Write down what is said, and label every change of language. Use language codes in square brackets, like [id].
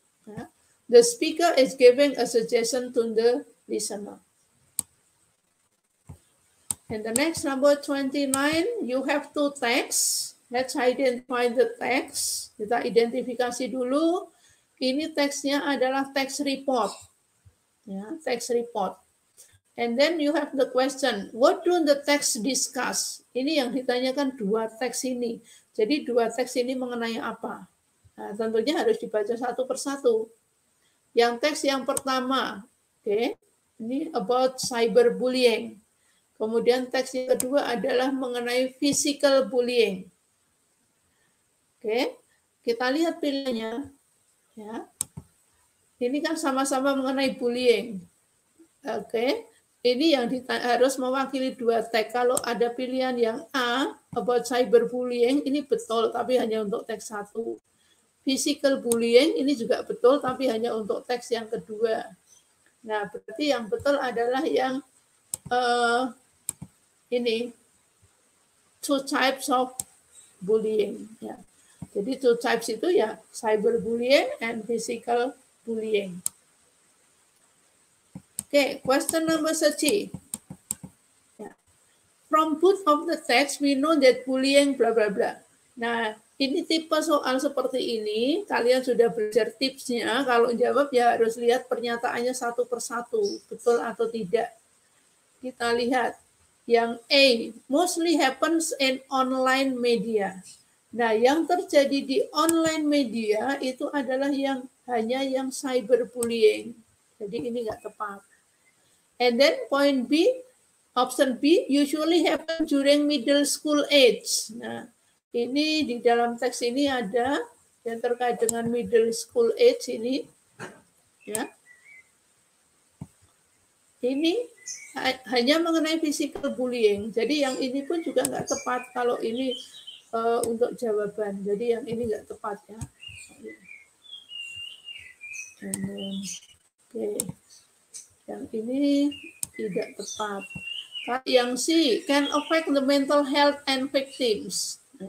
[en] Nah, the speaker is giving a suggestion to the listener. And the next number 29, you have two texts. Let's identify the text. [id] Kita identifikasi dulu. Ini teksnya adalah text report. Ya, text report. [en] And then you have the question, what do the text discuss? [id] Ini yang ditanyakan dua teks ini. Jadi dua teks ini mengenai apa? Nah, tentunya harus dibaca satu persatu. Yang teks yang pertama, oke, okay, ini [en] about cyberbullying. [id] Kemudian teks yang kedua adalah mengenai physical bullying. Oke, okay, kita lihat pilihannya. Ya, ini kan sama-sama mengenai bullying. Oke, okay, ini yang harus mewakili dua teks. Kalau ada pilihan yang A about cyberbullying, ini betul, tapi hanya untuk teks satu. Physical bullying ini juga betul, tapi hanya untuk teks yang kedua. Nah, berarti yang betul adalah yang ini, [en] two types of bullying. [id] Ya. Jadi, [en] two types [id] itu ya, [en] cyber bullying and physical bullying. Oke, okay, question number 30. Ya. From both of the text, we know that bullying, bla bla bla. [id] Nah, ini tipe soal seperti ini, kalian sudah belajar tipsnya, kalau jawab ya harus lihat pernyataannya satu persatu, betul atau tidak. Kita lihat, yang A, [en] mostly happens in online media. [id] Nah, yang terjadi di online media itu adalah yang hanya yang cyberbullying. Jadi ini nggak tepat. [en] And then point B, option B, usually happens during middle school age. [id] Nah, ini di dalam teks ini ada yang terkait dengan [en] middle school age [id] ini, ya. Ini hanya mengenai physical bullying. Jadi yang ini pun juga nggak tepat kalau ini untuk jawaban. Jadi yang ini nggak tepat ya. Oke, yang ini tidak tepat. Yang [en] C can affect the mental health and victims.